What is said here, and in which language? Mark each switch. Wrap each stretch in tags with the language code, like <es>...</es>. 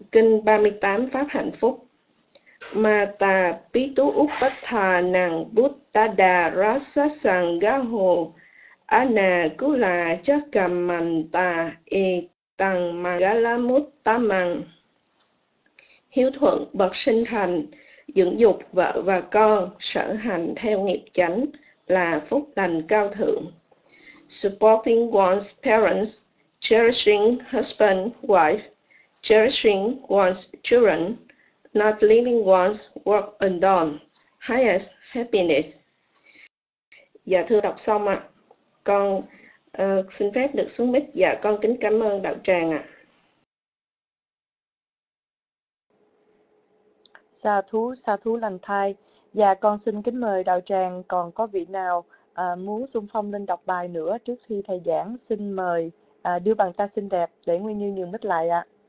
<vi>Kinh 38 Pháp Hạnh Phúc.</vi> <pi>Mata pitu upatthanang buddhada rasa sanggaho anakula cakamanta etang magalamuttamang.</pi> <vi>Hiếu thuận bậc sinh thành, dưỡng dục vợ và con, sở hành theo nghiệp chánh là phúc lành cao thượng.</vi> <en>Supporting one's parents, cherishing husband, wife, cherishing one's children, not leaving one's work undone, highest happiness.</en> <vi>Dạ thưa, đọc xong ạ. Con xin phép được xuống mic. Dạ con kính cảm ơn đạo tràng ạ. Sa thú lành thai. Dạ con xin kính mời đạo tràng. Còn có vị nào muốn xung phong lên đọc bài nữa trước khi thầy giảng, xin mời đưa bàn tay xinh đẹp để Nguyên Như nhường mic lại ạ.</vi>